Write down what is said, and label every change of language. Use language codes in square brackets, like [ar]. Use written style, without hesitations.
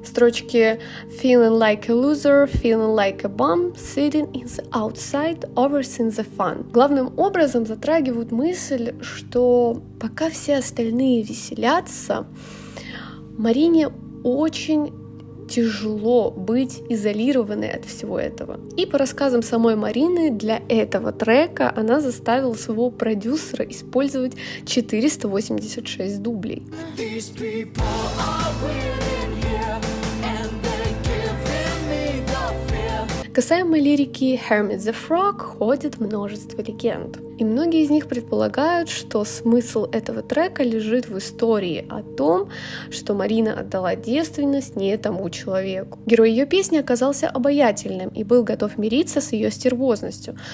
[ru] Строчки [en] «Feeling like a loser, feeling like a bum, sitting in the outside, overseeing the fun» [ru] главным образом затрагивают мысль, что пока все остальные веселятся, Марине очень тяжело быть изолированной от всего этого. И по рассказам самой Марины, для этого трека она заставила своего продюсера использовать 486 дублей. [en] These people are winning here, and they're giving me the fear. [ru] Касаемо лирики «Hermit the Frog» ходит множество легенд. И многие из них предполагают, что смысл этого трека лежит в истории о том, что Марина отдала девственность не тому человеку. Герой ее песни оказался обаятельным и был готов мириться с ее стервозностью.